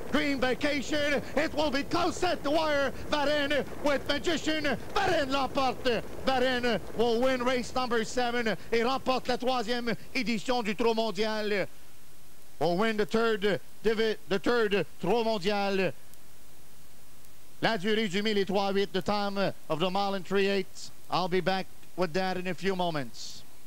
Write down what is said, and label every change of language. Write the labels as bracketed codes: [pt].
[en] Green Vacation, it will be close at the wire. Varenne with Magician, Varenne l'emporte. Varenne will win race number seven [fr] et remporte la troisième édition du Trot Mondial. [en] Will win the third divot, the third trot mondial. [fr] La durée du mille et trois huit, [en] the time of the mile and 3/8. I'll be back with that in a few moments.